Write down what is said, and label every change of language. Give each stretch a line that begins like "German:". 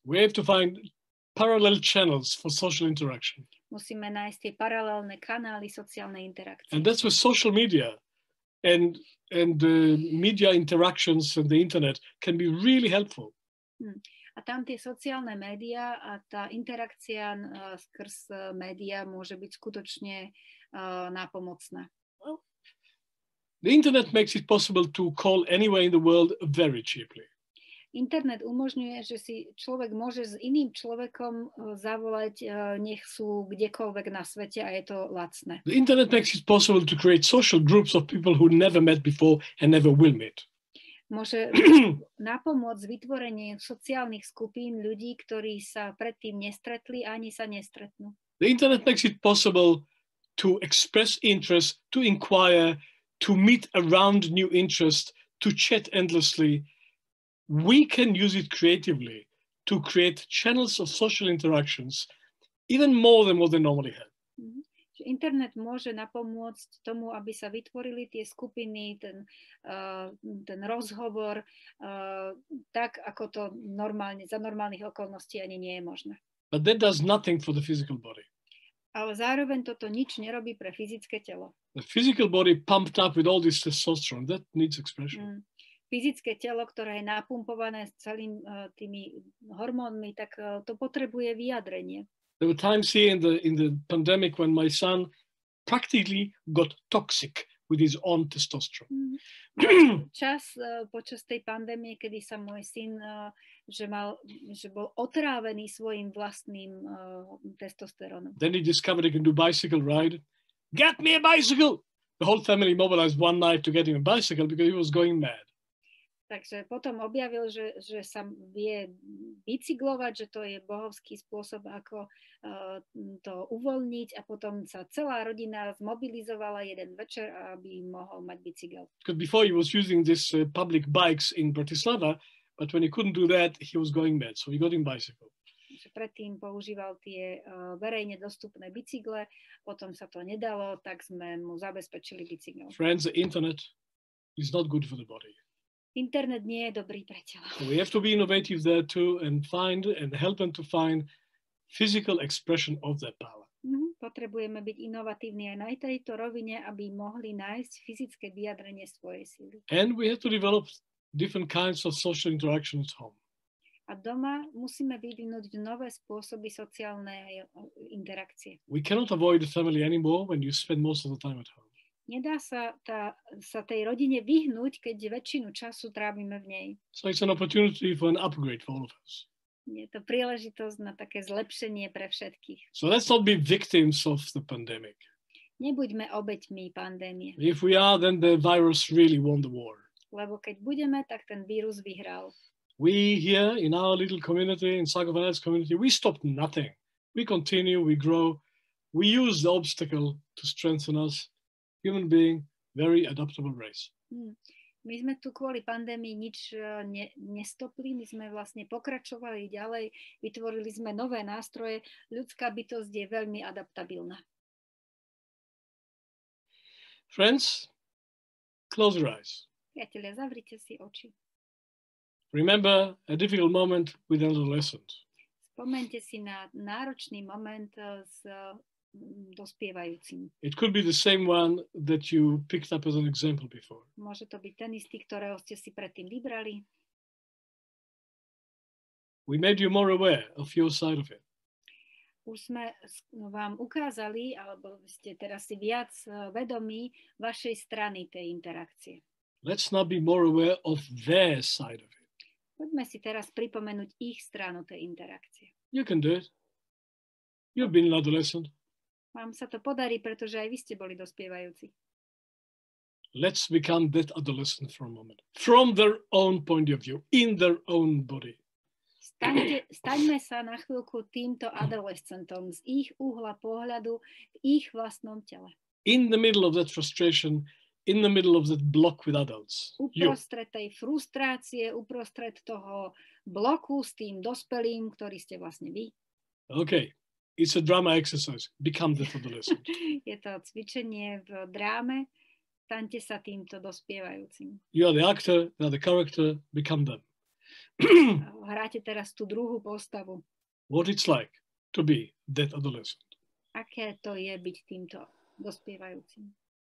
English: We have to find parallel channels for social interaction.
Slovak: Musíme nájsť tie paralelné kanály sociálnej interakcie.
English: And that's where social media and the media interactions and the internet can be really helpful.
Slovak: A tam tie sociálne médiá a tá interakcia skrz médiá môže byť skutočne nápomocná.
English: The internet makes it possible to call anywhere in the world very cheaply.
Slovak: Internet umožňuje, že si človek môže s iným človekom zavolať, nech sú kdekoľvek na svete a je to lacné.
English: The internet makes it possible to create social groups of people who never met before and never will meet.
Slovak: Môže napomôcť vytvorenie sociálnych skupín ľudí, ktorí sa predtým nestretli ani sa nestretnú.
English: The internet makes it possible to express interest, to inquire, to meet around new interest, to chat endlessly. We can use it creatively to create channels of social interactions even more than what they normally have. Mm-hmm.
Slovak: Internet môže napomôcť tomu, aby sa vytvorili tie skupiny, ten rozhovor, tak ako to normálne, za normálnych okolností ani nie je možné.
English: But that does nothing for the physical body.
Slovak: Ale zároveň toto nič nerobí pre fyzické telo.
English: The physical body pumped up with all this testosterone, that needs expression. Mm.
Slovak: Fyzické telo, ktoré je napumpované celým tými hormónmi, tak to potrebuje vyjadrenie.
English: There were times here in the pandemic when my son practically got toxic with his own testosterone.
Slovak: Čas počas tej pandémie, kedy sa môj syn že bol otrávený svojím vlastným testosterónom.
English: Then he discovered he can do bicycle ride. Get me a bicycle! The whole family mobilized one night to get him a bicycle because he was going mad.
Slovak: Takže potom objavil, že sa vie bicyklovať, že to je bohovský spôsob, ako to uvoľniť a potom sa celá rodina zmobilizovala jeden večer, aby mohol mať bicykel.
English: Because before he was using these public bikes in Bratislava, but when he couldn't do that, he was going mad, so he got him bicycle.
Slovak: Že predtým používal tie verejne dostupné bicykle, potom sa to nedalo, tak sme mu zabezpečili bicykel.
English: Friends, the internet is not good for the body.
Slovak: Internet nie je dobrý pre telo.
English: So we have to be innovative there too and find and help them to find physical expression of their power. Mm-hmm.
Slovak: Potrebujeme byť inovatívni aj na tejto rovine, aby mohli nájsť fyzické vyjadrenie svojej síly.
English: And we have to develop different kinds of social interactions at home.
Slovak: A doma musíme vyvinúť nové spôsoby sociálnej interakcie.
English: We cannot avoid the family anymore when you spend most of the time at home.
Slovak: Nedá sa tej rodine vyhnúť, keď väčšinu času trávime v nej.
English: So it's an opportunity for an upgrade for all of us.
Slovak: Je to príležitosť na také zlepšenie pre všetkých.
English: So let's not be victims of the pandemic.
Slovak: Nebuďme obeťmi pandémie.
English: If we are, then the virus really won the war.
Slovak: Lebo keď budeme, tak ten vírus vyhral.
English: We here in our little community, in psychophonetics community, we stop nothing. We continue, we grow. We use the obstacle to strengthen us. Human being, very adaptable race.
Slovak: My sme tu kvôli pandémii nič nestopli, my sme vlastne pokračovali ďalej, vytvorili sme nové nástroje. Ľudská bytosť je veľmi adaptabilná.
English: Friends, close your eyes.
Slovak: Priatelia, zavrite si oči.
English: Remember a difficult moment with an adolescent.
Slovak: Spomente si na náročný moment s dospievajúcim.
English: It could be the same one that you picked up as an example before.
Slovak: Môže to byť ten istý, ktorého ste si predtým vybrali.
English: We made you more aware of your side of it.
Slovak: Už sme vám ukázali, alebo ste teraz si viac vedomí vašej strany tej interakcie.
English: Let's not be more aware of their side of it.
Slovak: Poďme si teraz pripomenúť ich stranu tej interakcie.
English: You can do it. You've been an adolescent.
Slovak: Vám sa to podarí, pretože aj vy ste boli dospievajúci.
English: Let's become that adolescent for a moment. From their own point of view, in their own body.
Slovak: Staňme sa na chvíľku týmto adolescentom z ich uhla pohľadu v ich vlastnom tele.
English: In the middle of that frustration, in the middle of that block with adults.
Slovak: Uprostred tej frustrácie, uprostred toho bloku s tým dospelým, ktorý ste vlastne vy.
English: Okay. It's a drama exercise. Become the adolescent.
Slovak: Je to cvičenie v dráme. Staňte sa týmto dospievajúcim.
English: You are the actor, you are the character, become them.
Slovak: Hráte teraz tú druhú postavu.
English: What it's like to be that adolescent.
Slovak: Aké to je byť týmto dospievajúcim?